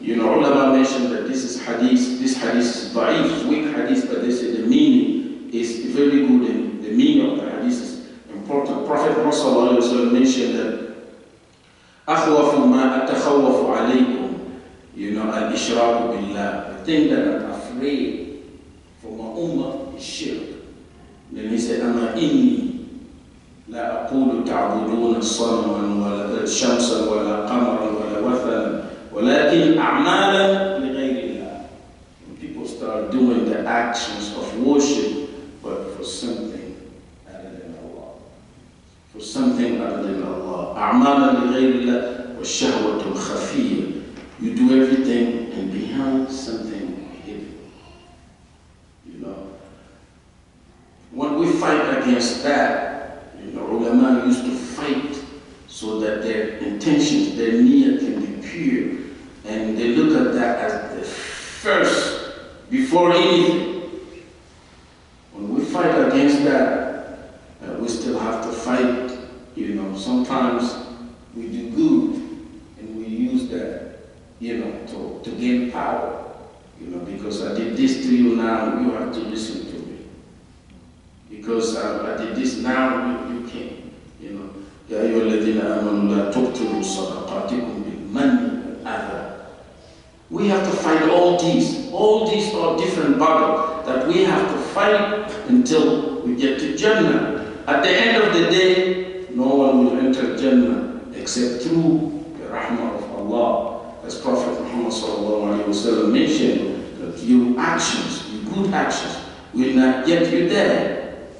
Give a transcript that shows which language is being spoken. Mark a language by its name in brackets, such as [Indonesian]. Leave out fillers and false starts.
[English] You know, ulama mentioned that this is hadith. This hadith is da'if, weak hadith, but they say the meaning is very good and the meaning of the hadith is important. Prophet Rasulullah mentioned that [Arabic] أخوف ما أتخوف عليكم, [English] you know, [Arabic] الإشراك بالله. [English] The thing that I'm afraid for my ummah is shirk. Then he said, [Arabic] أما إني لا أقول تعبدون صنما ولا شمسا ولا قمرا ولا وثنا ولكن أعمالا لغير الله. [English] When people start doing the actions of worship, but for something other than Allah. For something other than Allah. [Arabic] أعمالا لغير الله والشهوة الخفية. [English] You do everything and behind something hidden. You know. When we fight against that, ulama used to fight so that their intentions, their niyyah can be pure. And they look at that as the first, before anything. When we fight against that, we still have to fight. You know, sometimes we do good and we use that, you know, to gain power. You know, because I did this to you, now you have to listen to me. Because I did this, now you can't. You know, [Arabic] يَا أَيُّهَا الَّذِينَ آمَنُوا لَا تُبْطِلُوا صَدَقَاتِكُمْ بِالْمَنِّ وَالْأَذَى. [English] We have to fight all these. All these are different battles that we have to fight until we get to Jannah. At the end of the day, no one will enter Jannah except through the rahmah of Allah. As Prophet Muhammad sallallahu alayhi wa sallam mentioned, that your actions, your good actions, will not get you there.